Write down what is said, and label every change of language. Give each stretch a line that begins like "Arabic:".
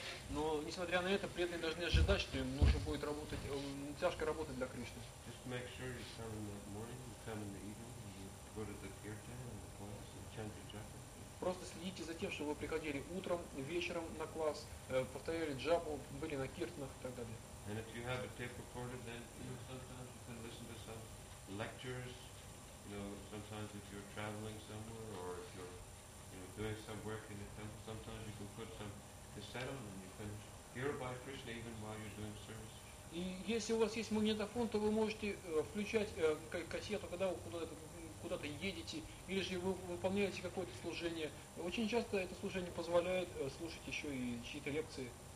Russian: Но, несмотря на это, преданные должны ожидать, что им нужно будет работать, тяжко работать для Кришны.
English: Just make sure you come in the morning, you come in the evening, you go to the kirtan, the class, and chant your japa.
Russian: Просто следите за тем, чтобы вы приходили утром, вечером на класс, повторяли джапу, были на киртнах и так далее.
English: And if you have a tape recorder, then sometimes you can listen to some lectures. You know, sometimes if you're traveling somewhere or if you're doing some work in the temple, sometimes you can put some cassette on and you can hear about Krishna even while you're doing service.
Russian: И если у вас есть магнитофон, то вы можете включать кассету, когда вы куда-то едете, или же вы выполняете какое-то служение. Очень часто это служение позволяет слушать еще и чьи-то лекции.